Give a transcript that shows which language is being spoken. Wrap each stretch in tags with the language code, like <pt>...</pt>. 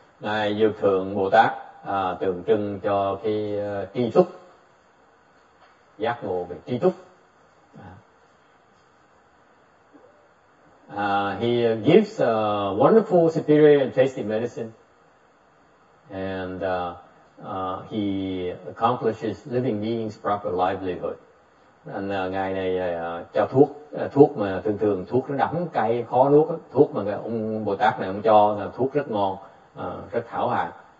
<vi>Ngài Dược Thượng Bồ Tát tượng trưng cho cái tri túc, giác ngộ về tri túc.</vi> <en>He gives wonderful superior and tasty medicine, and he accomplishes living beings' proper livelihood.</en> <vi>Anh ngài này cho thuốc mà thường thuốc nó đắng cay khó nuốt, thuốc mà ông Bồ Tát này ông cho là thuốc rất ngon, rất thảo hạt.</vi>